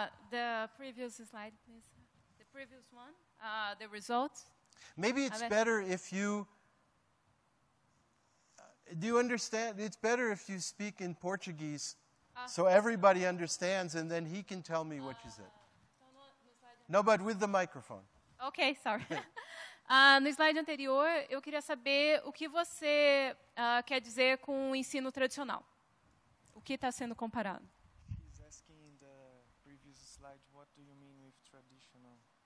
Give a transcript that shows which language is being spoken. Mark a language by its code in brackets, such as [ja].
[en] The previous slide, please. The previous one, the results. Maybe it's better if you... do you understand? It's better if you speak in Portuguese so everybody understands, and then he can tell me what you said. No, but with the microphone. Ok, sorry. [pt] No slide anterior, eu queria saber o que você quer dizer com o ensino tradicional. O que está sendo comparado? [en] He's asking in the previous slide, what do you mean with traditional?